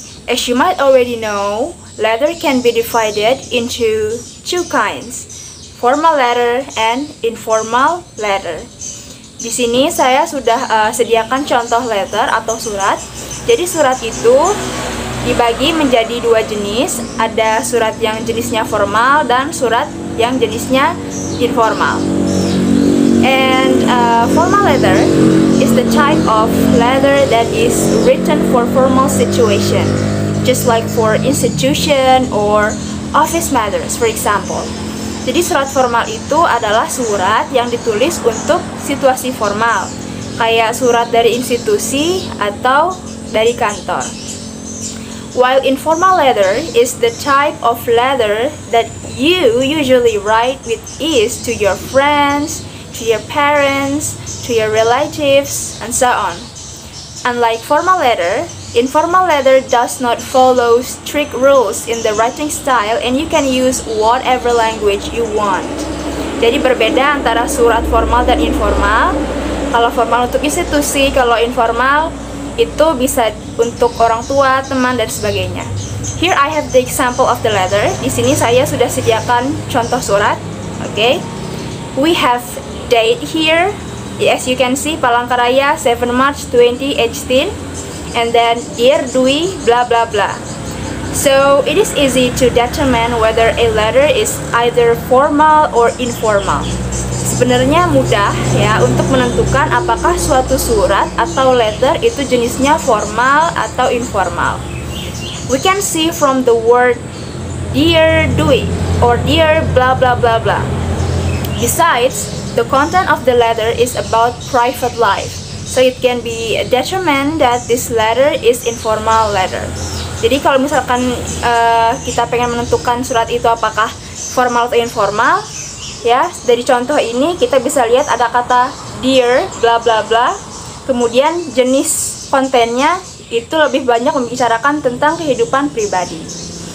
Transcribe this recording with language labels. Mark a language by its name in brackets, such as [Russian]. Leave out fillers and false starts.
[English] As you might already know, letter can be divided into two kinds: formal letter and informal letter. [Indonesian] Di sini saya sudah sediakan contoh letter atau surat. Jadi surat itu dibagi menjadi dua jenis, ada surat yang jenisnya formal dan surat yang jenisnya informal. [English] And formal letter is the type of letter that is written for formal situation, just like for institution or office matters, for example. [Indonesian] Jadi surat formal itu adalah surat yang ditulis untuk situasi formal, kayak surat dari institusi atau dari kantor. [English] While informal letter is the type of letter that you usually write with ease to your friends, to your parents, to your relatives, and so on. Unlike formal letter, informal letter does not follow strict rules in the writing style and you can use whatever language you want. [Indonesian] Jadi berbeda antara surat formal dan informal. Kalau formal untuk institusi, kalau informal itu bisa untuk orang tua, teman, dan sebagainya. [English] Here I have the example of the letter. [Indonesian] Di sini saya sudah sediakan contoh surat. Okay. [English] We have date here. As you can see, Palangkaraya, 7 March 2018. And then year, Dwi, blah, blah, blah. So it is easy to determine whether a letter is either formal or informal. [Indonesian] Sebenarnya mudah ya untuk menentukan apakah suatu surat atau letter itu jenisnya formal atau informal. [English] We can see from the word dear Dwi or dear blah blah blah blah. Besides, the content of the letter is about private life. So it can be determined that this letter is informal letter. [Indonesian] Jadi kalau misalkan kita pengen menentukan surat itu apakah formal atau informal, ya, dari contoh ini kita bisa lihat ada kata dear, bla bla bla. Kemudian jenis kontennya itu lebih banyak membicarakan tentang kehidupan pribadi.